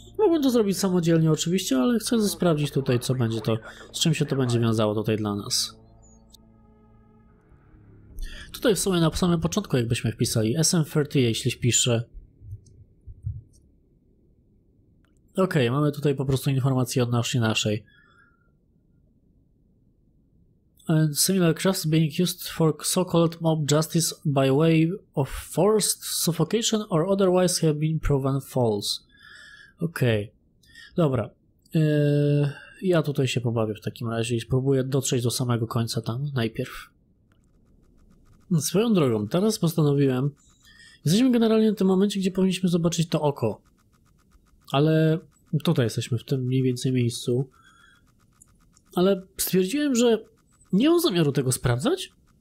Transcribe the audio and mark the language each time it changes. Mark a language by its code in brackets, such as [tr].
[pl] Mogę to zrobić samodzielnie oczywiście, ale chcę sprawdzić tutaj, co będzie to, z czym się to będzie wiązało tutaj dla nas. Tutaj w sumie na samym początku, jakbyśmy wpisali SM30, jeśli wpiszę. Okej, mamy tutaj po prostu informacje odnośnie naszej. [en] And similar crafts being used for so-called mob justice by way of forced suffocation or otherwise have been proven false. [pl] Okej. Dobra. Ja tutaj się pobawię w takim razie i spróbuję dotrzeć do samego końca tam najpierw. Swoją drogą, teraz postanowiłem... Jesteśmy generalnie w tym momencie, gdzie powinniśmy zobaczyć to oko. Ale... Tutaj jesteśmy, w tym mniej więcej miejscu. Ale stwierdziłem, że nie mam zamiaru tego sprawdzać.